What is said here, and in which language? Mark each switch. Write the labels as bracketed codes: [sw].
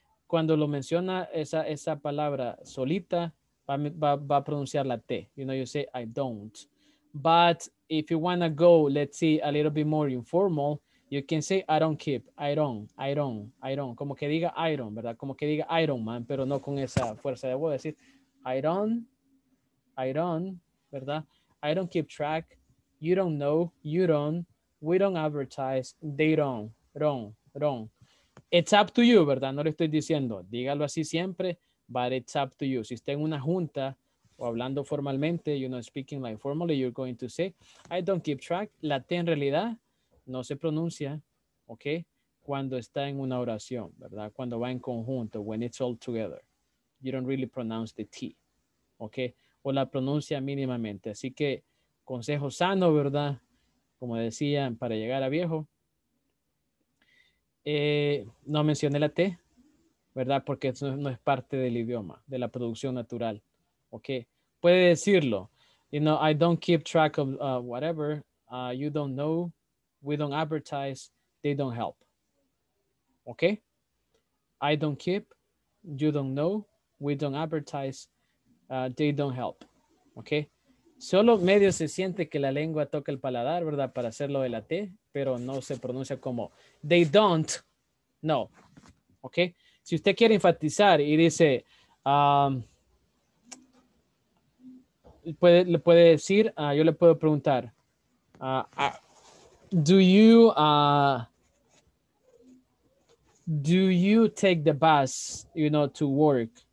[es] Cuando lo menciona esa palabra solita, va a pronunciar la T. [en] You know, you say, I don't. But if you want to go, let's see, a little bit more informal, you can say, I don't. [es] Como que diga iron, ¿verdad? Como que diga Iron Man, pero no con esa fuerza de voz. [en] Decir, I don't, ¿verdad? I don't keep track. You don't know. You don't. We don't advertise. They don't. Wrong. It's up to you, ¿verdad? [es] No le estoy diciendo. Dígalo así siempre, [en] but it's up to you. [es] Si está en una junta o hablando formalmente, [en] you know, speaking like formally, you're going to say, I don't keep track. [es] La T en realidad no se pronuncia, ¿ok? Cuando está en una oración, ¿verdad? Cuando va en conjunto, [en] when it's all together. You don't really pronounce the T, ¿ok? [es] O la pronuncia mínimamente. Así que, consejo sano, ¿verdad? Como decían, para llegar a viejo. No mencioné la T, ¿verdad? Porque eso no es parte del idioma, de la producción natural, ¿ok? Puede decirlo. [en] You know, I don't keep track of whatever. You don't know. We don't advertise, they don't help. Okay? I don't keep, you don't know, we don't advertise, they don't help. Okay. [es] Solo medio se siente que la lengua toca el paladar, ¿verdad? Para hacer lo de la T, pero no se pronuncia como [en] they don't, [es] no. Ok. Si usted quiere enfatizar y dice, le puede decir, yo le puedo preguntar, [en] do you take the bus, you know, to work?